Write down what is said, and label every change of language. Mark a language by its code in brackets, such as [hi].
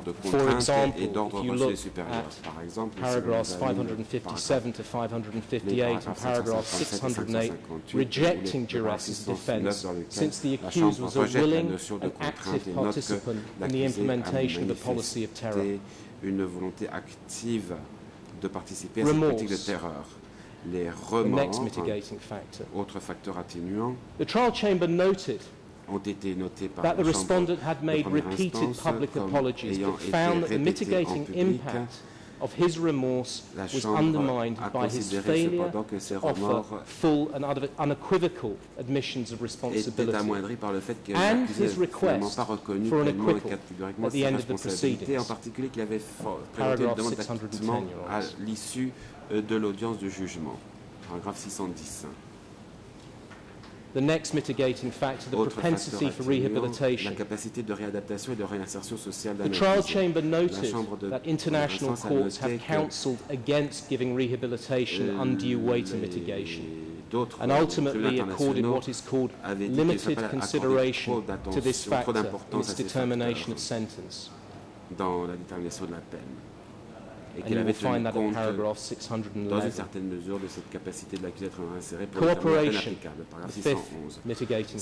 [en] For example, if you look at paragraphs 557 to 558 in paragraph 608, rejecting duress's defense, since the accused was a willing and active participant in the implementation of a policy of terror. [fr] Une volonté active de participer à cette politique de terreur. Les remords, [en] the next mitigating factor. [fr] Autre facteur atténuant. [en] The trial chamber noted that the respondent had made repeated public apologies, but found that the mitigating impact of his remorse was undermined by his failure to offer full and unequivocal admissions of responsibility and his request for an acquittal at the end of the proceedings, [fr] en particulier qu'il avait à l'issue de l'audience de jugement, paragraphe 610. [en] The next mitigating factor, the propensity for rehabilitation. [fr] La capacité de réadaptation et de réinsertion sociale [en] the trial chamber noted that international courts have counseled against giving rehabilitation undue weight to mitigation. [fr] d'autres tribunaux internationaux avaient dit qu'il fallait accorder trop d'attention, trop d'importance à ces facteurs dans la détermination de la peine. Et qu'il avait tenu compte dans une certaine mesure de cette capacité de l'accusé à être inséré pour la peine applicable, paragraphe 611.